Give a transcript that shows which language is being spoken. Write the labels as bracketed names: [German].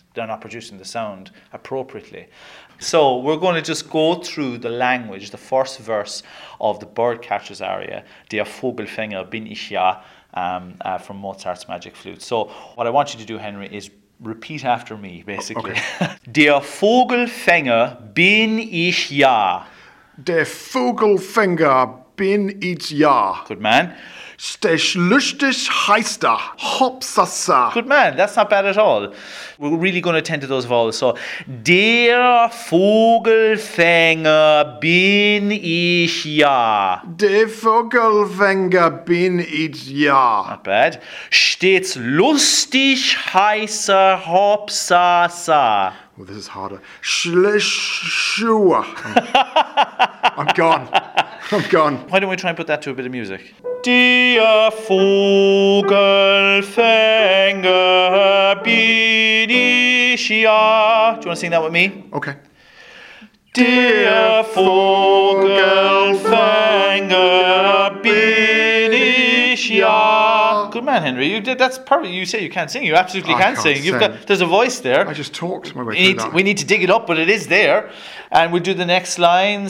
[English] They're not producing the sound appropriately. So we're going to just go through the language, the first verse of the Birdcatcher's aria, [German] Der Vogelfänger bin ich ja, [English] from Mozart's Magic Flute. So what I want you to do, Henry, is repeat after me, basically. Okay. [German] Der Vogelfänger bin ich ja. Der Vogelfänger bin ich ja. [English] Good man. [German] Stech lustig heister. Hopsasa. [English] Good man. That's not bad at all. We're really going to attend to those vowels. [German] So, der Vogelfänger bin ich ja. Der Vogelfänger bin ich ja. [English] Not bad. [German] Stets lustig heißer Hopsasa. [English] Well, this is harder. Schlischua. I'm gone. Why don't we try and put that to a bit of music? [German] Der Vogelfänger bin ich ja. [English] Do you want to sing that with me? Okay. [German] Der Vogelfänger bin ich ja. [English] Good man, Henry. You did. That's perfect. You say you can't sing. You absolutely can sing. There's a voice there. I just talked my way through that. We need to dig it up, but it is there. And we'll do the next line.